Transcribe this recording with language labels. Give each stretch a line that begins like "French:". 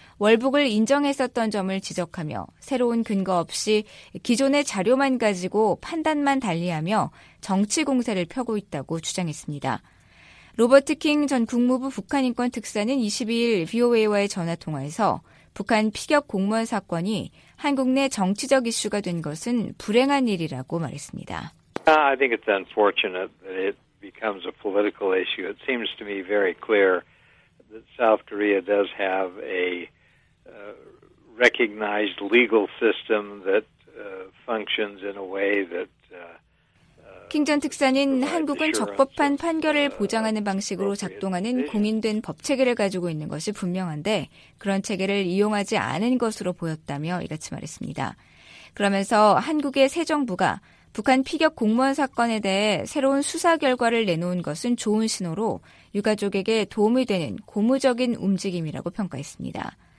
Korean: 월북을 인정했었던 점을 지적하며 새로운 근거 없이 기존의 자료만 가지고 판단만 달리하며 정치 공세를 펴고 있다고 주장했습니다. 로버트 킹 전 국무부 북한인권특사는 22일 VOA와의 전화통화에서 북한 피격 공무원 사건이 한국 내 정치적 이슈가 된 것은 불행한 일이라고 말했습니다.
English: I think it's unfortunate that it becomes a political issue. It seems to me very clear that South Korea does have a recognized legal system that functions in a way that
Korean: 킹 전 특사는 한국은 적법한 판결을 보장하는 방식으로 작동하는 공인된 법체계를 가지고 있는 것이 분명한데 그런 체계를 이용하지 않은 것으로 보였다며 이같이 말했습니다. 그러면서 한국의 새 정부가 북한 피격 공무원 사건에 대해 새로운 수사 결과를 내놓은 것은 좋은 신호로 유가족에게 도움이 되는 고무적인 움직임이라고 평가했습니다.